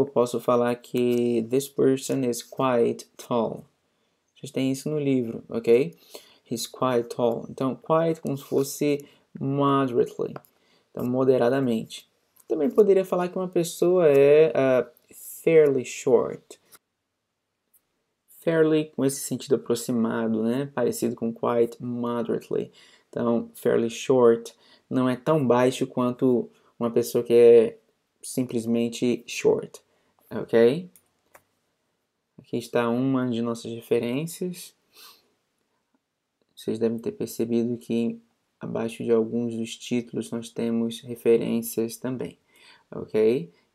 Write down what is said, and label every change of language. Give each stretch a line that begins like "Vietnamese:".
Portuguese: Eu posso falar que
English: this person is quite tall.
Portuguese: Vocês têm isso no livro, ok?
English: He's quite tall.
Portuguese: Então, quite como se fosse moderately. Então, moderadamente. Também poderia falar que uma pessoa é fairly short. Fairly com esse sentido aproximado, né? Parecido com quite moderately. Então, fairly short não é tão baixo quanto uma pessoa que é simplesmente short, ok? Aqui está uma de nossas diferenças. Vocês devem ter percebido que abaixo de alguns dos títulos nós temos referências também, ok?